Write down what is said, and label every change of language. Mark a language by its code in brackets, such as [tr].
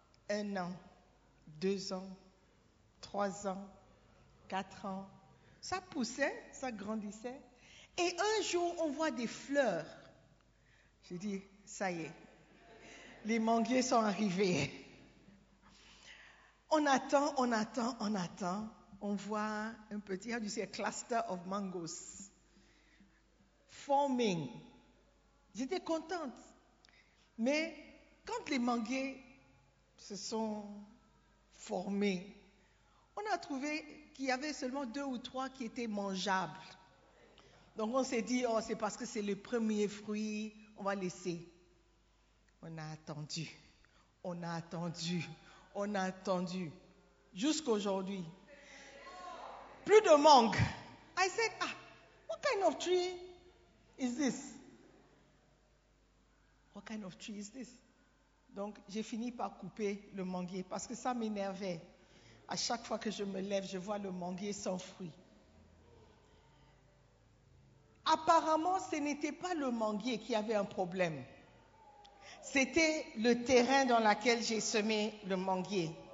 [fr] 1 an, 2 ans, 3 ans. 4 ans, ça poussait, ça grandissait. Et un jour, on voit des fleurs. Je dis, ça y est, les manguiers sont arrivés. On attend, on attend, on attend. On voit un petit, il y a un [en] cluster of mangoes forming. [fr] J'étais contente. Mais quand les manguiers se sont formés, on a trouvé qu'il y avait seulement 2 ou 3 qui étaient mangeables. Donc on s'est dit, oh, c'est parce que c'est le premier fruit, on va laisser. On a attendu, on a attendu, on a attendu. Jusqu'aujourd'hui, plus de mangue. [en] I said, ah, what kind of tree is this? What kind of tree is this? [fr] Donc j'ai fini par couper le manguier parce que ça m'énervait. À chaque fois que je me lève, je vois le manguier sans fruit. Apparemment, ce n'était pas le manguier qui avait un problème. C'était le terrain dans lequel j'ai semé le manguier.